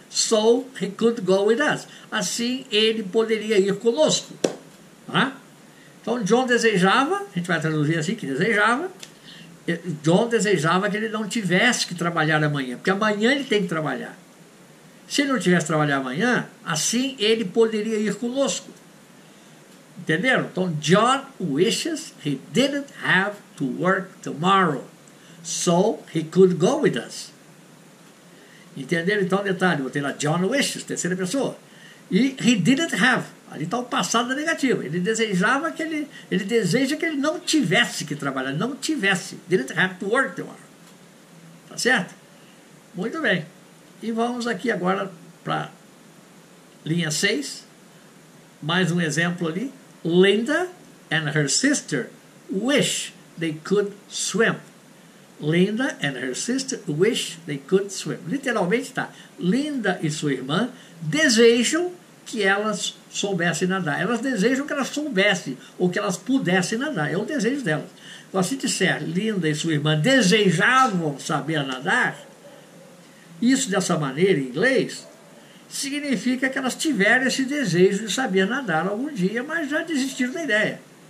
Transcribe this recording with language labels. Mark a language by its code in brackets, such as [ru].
[en] So he could go with us. [pt] Assim ele poderia ir conosco. Tá? Então, John desejava, a gente vai traduzir assim, que desejava. John desejava que ele não tivesse que trabalhar amanhã, porque amanhã ele tem que trabalhar. Se ele não tivesse que trabalhar amanhã, assim ele poderia ir conosco. Entenderam? [en] Então, John wishes he didn't have to work tomorrow, so he could go with us. [pt] Entenderam? Então, detalhe, vou ter lá [en] John wishes, [pt] terceira pessoa. E [en] he didn't have, [pt] ali está o passado negativo. Ele desejava que ele deseja que ele não tivesse que trabalhar, não tivesse. [en] Didn't have to work tomorrow. [pt] Tá certo? Muito bem. E vamos aqui agora para linha 6. Mais um exemplo ali. [en] Linda and her sister wish they could swim. Linda and her sister wish they could swim. [pt] Literalmente está. Linda e sua irmã desejam que elas soubessem nadar. Elas desejam que elas soubessem ou que elas pudessem nadar. É o desejo delas. Então, se disser Linda e sua irmã desejavam saber nadar, isso dessa maneira em inglês significa que elas tiveram esse desejo de saber nadar algum dia, mas já desistiram da ideia.